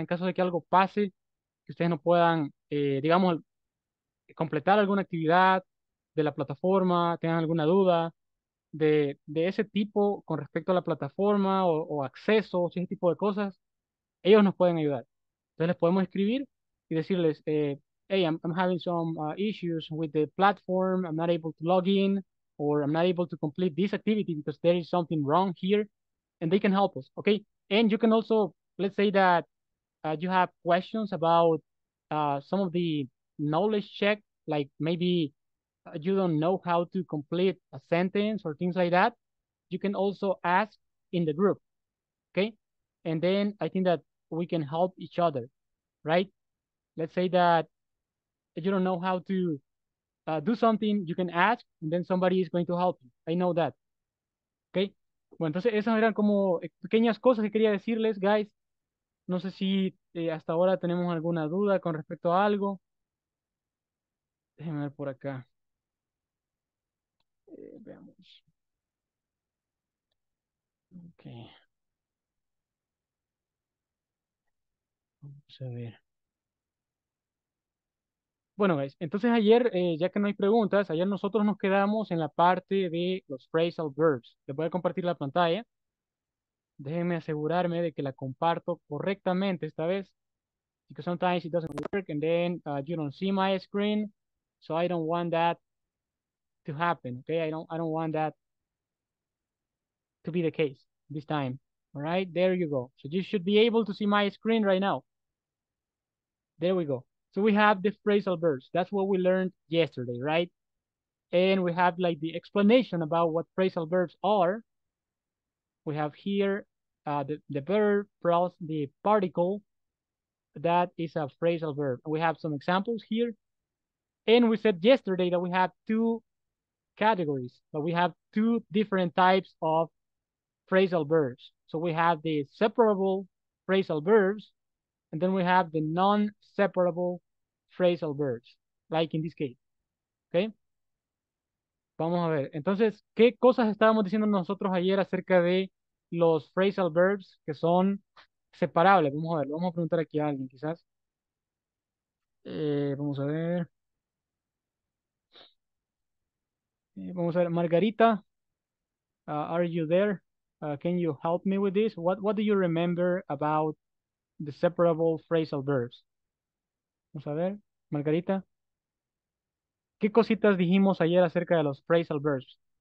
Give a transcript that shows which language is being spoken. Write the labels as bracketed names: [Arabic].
[Spanish] En caso de que algo pase, que ustedes no puedan, digamos, completar alguna actividad de la plataforma, tengan alguna duda de ese tipo con respecto a la plataforma o accesos y ese tipo de cosas, ellos nos pueden ayudar. Entonces les podemos escribir y decirles, [English] hey, I'm having some issues with the platform, I'm not able to log in, or I'm not able to complete this activity because there is something wrong here, and they can help us, okay? And you can also, let's say that you have questions about some of the knowledge check, like maybe you don't know how to complete a sentence or things like that, you can also ask in the group, okay? And then I think that we can help each other, right? Let's say that you don't know how to do something, you can ask, and then somebody is going to help you. I know that, okay? [Spanish] Bueno, entonces esas eran como pequeñas cosas que quería decirles, guys. No sé si hasta ahora tenemos alguna duda con respecto a algo. Déjenme ver por acá. Veamos. [English] Okay. [Spanish] Vamos a ver. Bueno, guys, entonces ayer, ya que no hay preguntas, ayer nosotros nos quedamos en la parte de los phrasal verbs. Les voy a compartir la pantalla. Déjenme asegurarme de que la comparto correctamente esta vez. [English] Because sometimes it doesn't work and then you don't see my screen. So I don't want that to happen, okay? I don't want that to be the case this time, all right? There you go. So you should be able to see my screen right now. There we go. So we have the phrasal verbs. That's what we learned yesterday, right? And we have like the explanation about what phrasal verbs are. We have here the verb plus the particle, that is a phrasal verb. We have some examples here. And we said yesterday that we have two categories, but we have two different types of phrasal verbs. So we have the separable phrasal verbs, and then we have the non-separable phrasal verbs, like in this case. [Spanish] Okay? Vamos a ver. Entonces, ¿qué cosas estábamos diciendo nosotros ayer acerca de los phrasal verbs que son separables? Vamos a ver, vamos a preguntar aquí a alguien, quizás. Vamos a ver. Vamos a ver, Margarita, [English] are you there? Can you help me with this? What do you remember about the separable phrasal verbs? [Spanish] Vamos a ver, Margarita. ¿Qué cositas dijimos ayer acerca de los phrasal verbs?